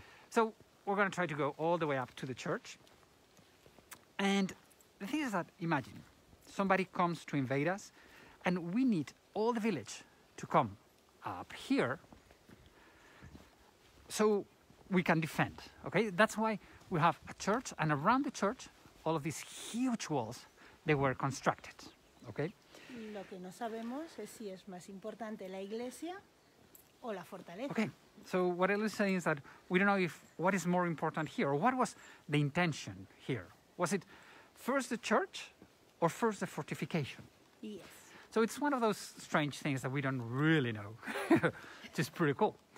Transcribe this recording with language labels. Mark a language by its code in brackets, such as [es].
[en] So, we're going to try to go all the way up to the church. And the thing is that, imagine, somebody comes to invade us, and we need all the village to come up here so we can defend, okay? That's why we have a church, and around the church, all of these huge walls, they were constructed, okay? [es] Lo que no sabemos es si es más importante la iglesia o la fortaleza. [en] Okay, so what Ellie is saying is that we don't know if what is more important here, or what was the intention here? Was it first the church or first the fortification? Yes. So it's one of those strange things that we don't really know, which is pretty cool.